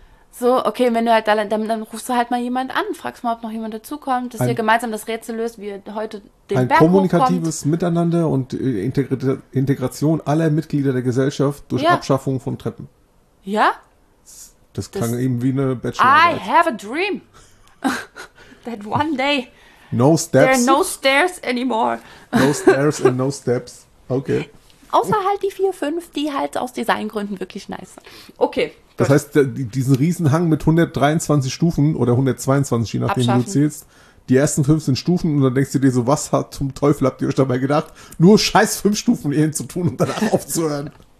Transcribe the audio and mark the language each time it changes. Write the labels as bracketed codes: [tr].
[de] So, okay, wenn du halt dann rufst du halt mal jemand an, fragst mal, ob noch jemand dazukommt, dass ihr gemeinsam das Rätsel löst, wie ihr heute den Berg hochkommt. Ein kommunikatives Miteinander und Integration aller Mitglieder der Gesellschaft durch, ja, Abschaffung von Treppen. Ja? Das klang eben wie eine Bachelorarbeit. [en] I have a dream that one day no steps. There are no stairs anymore. No stairs and no steps. Okay. [de] Außer halt die 4-5, die halt aus Designgründen wirklich nice sind. Okay. Das gut. Heißt, diesen Riesenhang mit 123 Stufen oder 122, je nachdem, wie du zählst, die ersten 15 Stufen und dann denkst du dir so, was zum Teufel habt ihr euch dabei gedacht, nur scheiß 5 Stufen hin zu tun und danach aufzuhören.